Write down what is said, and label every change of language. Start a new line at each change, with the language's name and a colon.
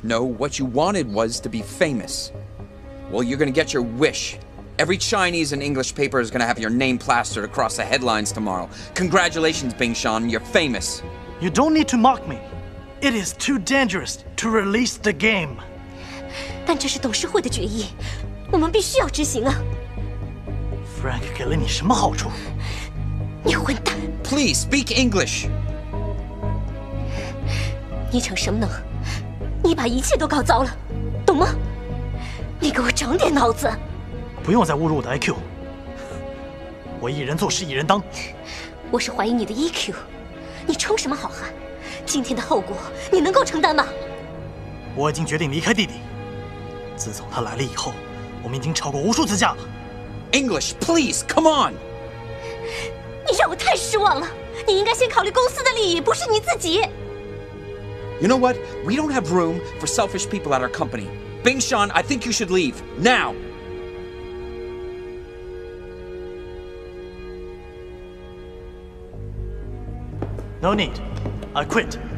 English: No, what you wanted was to be famous. Well, you're gonna get your wish. Every Chinese and English paper is going to have your name plastered across the headlines tomorrow. Congratulations, Bing Shan, you're famous. You don't need to mock me. It is too dangerous to release the game.
Chinese: 但这是董事会的决议，我们必须要执行啊。 Frank 给了你什么好处？你混蛋。
English: Please, speak English.
Chinese: 你逞什么能？你把一切都搞糟了，懂吗？你给我长点脑子。不用再侮辱我的 IQ。我一人做事一人当。我是怀疑你的 EQ。你充什么好汉？今天的后果你能够承担吗？我已经决定离开弟弟。自从他来了以后，我们已经吵过无数次架了。
English: English, please, come on.
Chinese: 你让我太失望了。你应该先考虑公司的利益，不是你自己。
English: You know what? We don't have room for selfish people at our company. Bing Shan, I think you should leave now. No need. I quit.